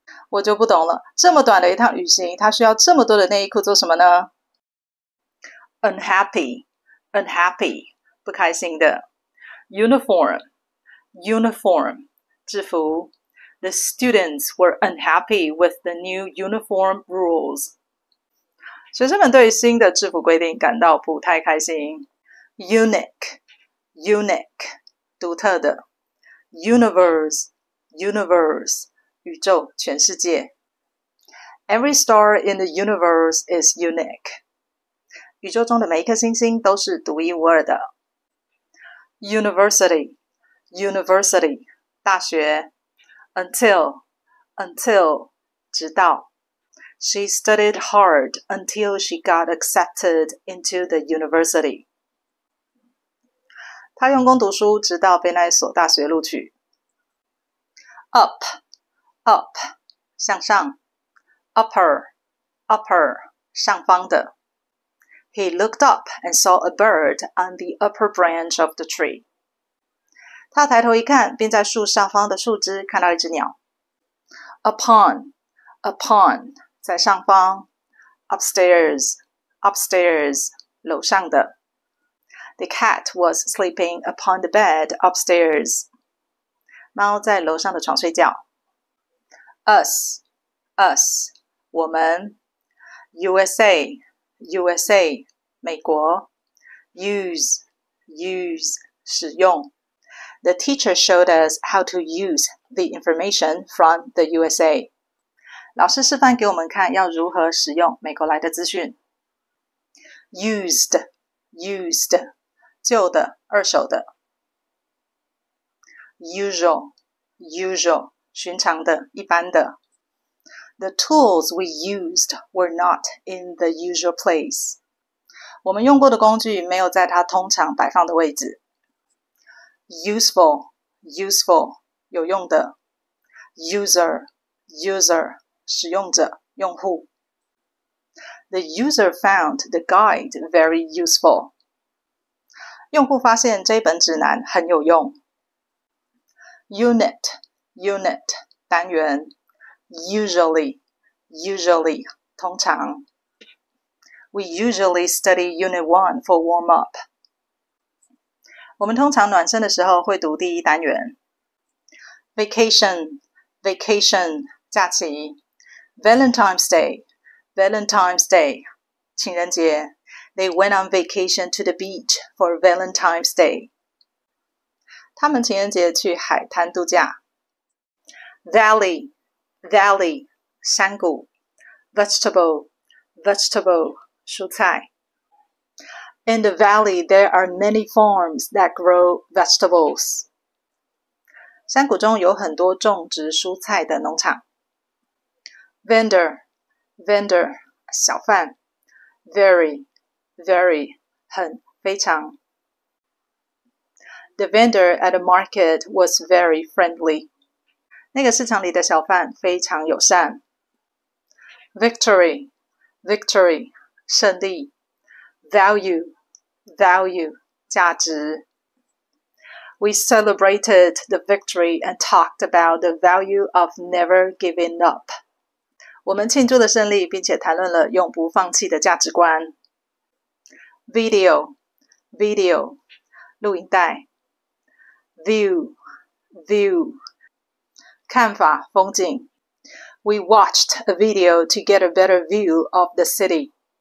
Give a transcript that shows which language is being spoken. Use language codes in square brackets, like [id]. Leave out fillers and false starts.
[zh] 我就不懂了，这么短的一趟旅行，他需要这么多的内衣裤做什么呢？ [en] Unhappy, unhappy， [zh] 不开心的。 [en] Uniform, uniform，制服。 The students were unhappy with the new uniform rules。 [zh] 学生们对新的制服规定感到不太开心。 [en] Unique, unique，独特的。 Universe, universe。 宇宙，全世界。 Every star in the universe is unique。 [zh] 宇宙中的每一颗星星都是独一无二的。 [en] University，university，大学。 Until，until，直到。 She studied hard until she got accepted into the university。 [zh] 她用功读书，直到被那一所大学录取。 [en] Up。 Up，向上。Upper，upper，upper, 上方的。 He looked up and saw a bird on the upper branch of the tree。 [zh] 他抬头一看，并在树上方的树枝看到一只鸟。 [en] Upon，upon，upon, 在上方。 Upstairs，upstairs，upstairs, 楼上的。 The cat was sleeping upon the bed upstairs。 [zh] 猫在楼上的床睡觉。 [en] Us, us, [zh] 我们。 [en] USA, USA, 美国。 Use, use, 使用。The teacher showed us how to use the information from the USA。 [zh] 老师示范给我们看要如何使用美国来的资讯。 [en] Used, used, 旧的、二手的。 Usual, usual, 寻常的、一般的。 The tools we used were not in the usual place. [zh] 我们用过的工具没有在它通常摆放的位置。 [en] Useful, useful, 有用的。User, user, 使用者、用户。 The user found the guide very useful. [zh] 用户发现这本指南很有用。 [en] Unit, unit, 单元。Usually, Usually，通常。 We usually study Unit One for warm up。 [zh] 我们通常暖身的时候会读第一单元。 [en] Vacation, vacation，假期。Valentine's Day, Valentine's Day，情人节。 They went on vacation to the beach for Valentine's Day。 [zh] 他们情人节去海滩度假。 [en] Valley, Valley，山谷。Vegetable, vegetable, 蔬菜。 In the valley, there are many farms that grow vegetables. [zh] 山谷中有很多种植蔬菜的农场。 [en] Vendor, vendor, 小贩。Very, very, 很非常。 The vendor at the market was very friendly. [zh] 那个市场里的小贩非常友善。 [en] Victory, victory, 胜利。Value, value, 价值。 We celebrated the victory and talked about the value of never giving up. [zh] 我们庆祝了胜利，并且谈论了永不放弃的价值观。 [en] Video, video, 录影带。 View, view, 看法，风景。 We watched a video to get a better view of the city.